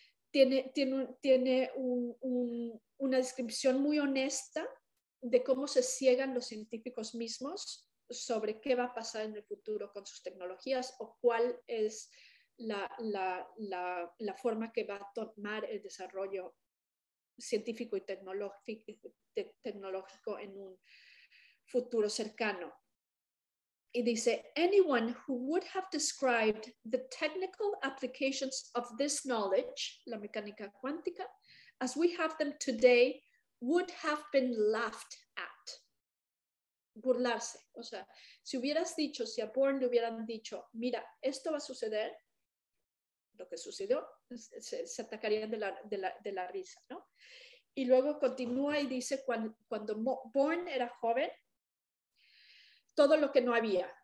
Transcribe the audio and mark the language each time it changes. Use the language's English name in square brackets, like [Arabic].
[Spanish] tiene una descripción muy honesta de cómo se ciegan los científicos mismos sobre qué va a pasar en el futuro con sus tecnologías o cuál es la forma que va a tomar el desarrollo científico y tecnológico en un futuro cercano. Y dice, [English] anyone who would have described the technical applications of this knowledge, [Spanish] la mecánica cuántica, [English] as we have them today, would have been laughed at. [Spanish] Burlarse. O sea, si hubieras dicho, si a Born le hubieran dicho, mira, esto va a suceder, lo que sucedió, se atacarían de la risa, ¿no? Y luego continúa y dice, cuando Born era joven, todo lo que no había.